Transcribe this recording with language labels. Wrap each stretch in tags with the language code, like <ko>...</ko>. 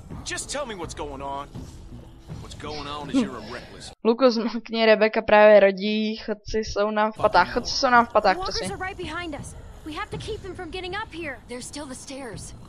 <en>Just tell me what's going on. What's going on is you're a reckless.</en> <cs>Luku, zmlkni, Rebecca právě rodí, chodci jsou nám v patách, chodci jsou nám v patách, přesně.</cs> <en>Walkers are right behind us. We have to keep them from getting up here. There's still the stairs.</en>